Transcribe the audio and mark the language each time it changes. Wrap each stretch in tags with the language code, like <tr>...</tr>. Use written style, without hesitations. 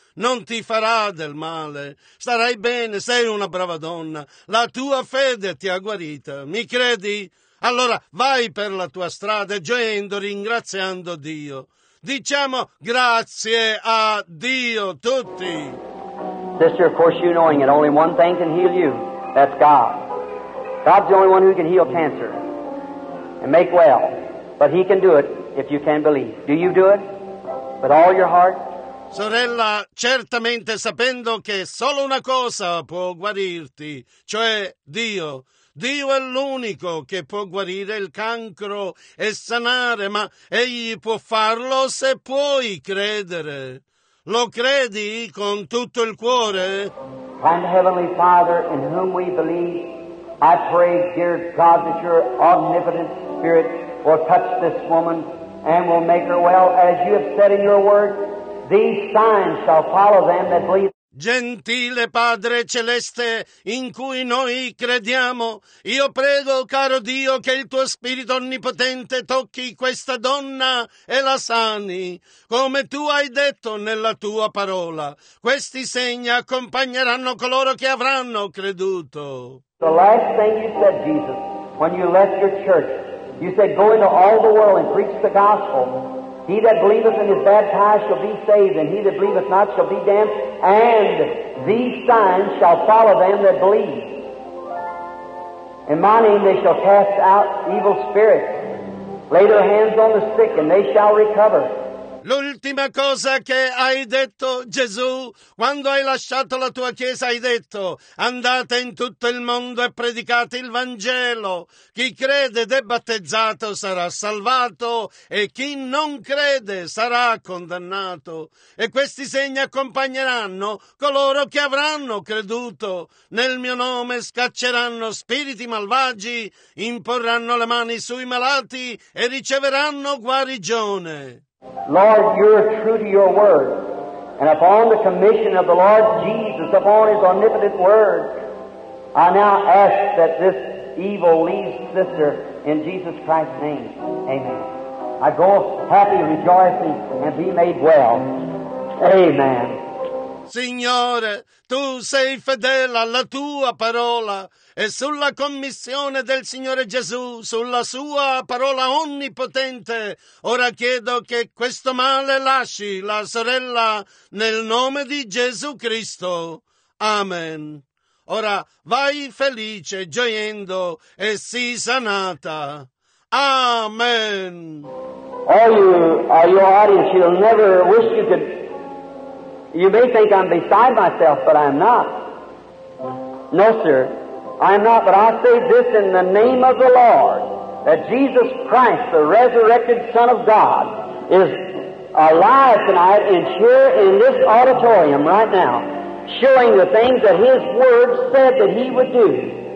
<it>Non ti farà del male. Starai bene, sei una brava donna. La tua fede ti ha guarita. Mi credi? Allora vai per la tua strada, gioendo, ringraziando Dio. Diciamo grazie a Dio tutti.</it> <en>Sister, of course you knowing it, only one thing can heal you. That's God. God's the only one who can heal cancer and make well. But he can do it if you can believe. Do you do it with all your heart?</en> <it>Sorella, certamente sapendo che solo una cosa può guarirti, cioè Dio. Dio è l'unico che può guarire il cancro e sanare, ma egli può farlo se puoi credere. Lo credi con tutto il cuore?</it> <en>And Heavenly Father, in whom we believe, I pray, dear God, that your omnipotent spirit will touch this woman and will make her well. As you have said in your word, these signs shall follow them that believe.</en> <it>Gentile Padre Celeste, in cui noi crediamo, io prego, caro Dio, che il tuo Spirito Onnipotente tocchi questa donna e la sani, come tu hai detto nella tua parola. Questi segni accompagneranno coloro che avranno creduto.</it> <en>The last thing you said, Jesus, when you left your church, you said, go into all the world and preach the gospel. He that believeth and is baptized shall be saved, and he that believeth not shall be damned, and these signs shall follow them that believe. In my name they shall cast out evil spirits, lay their hands on the sick, and they shall recover.</en> <it>L'ultima cosa che hai detto, Gesù, quando hai lasciato la tua chiesa, hai detto: andate in tutto il mondo e predicate il Vangelo. Chi crede ed è battezzato sarà salvato e chi non crede sarà condannato. E questi segni accompagneranno coloro che avranno creduto. Nel mio nome scacceranno spiriti malvagi, imporranno le mani sui malati e riceveranno guarigione.</it> <en>Lord, you are true to your word, and upon the commission of the Lord Jesus, upon his omnipotent word, I now ask that this evil leaves, sister, in Jesus Christ's name. Amen. I go happy, rejoicing, and be made well. Amen.</en> <it>Signore, tu sei fedele alla tua parola. E sulla commissione del Signore Gesù, sulla sua parola onnipotente, ora chiedo che questo male lasci la sorella nel nome di Gesù Cristo. Amen. Ora vai felice, gioiendo, e sii sanata. Amen.</it> <en>Are you audience? You'll never wish you could. You may think I'm beside myself, but I'm not. No, sir. I'm not, but I say this in the name of the Lord, that Jesus Christ, the resurrected Son of God, is alive tonight and here in this auditorium right now, showing the things that His Word said that He would do.</en>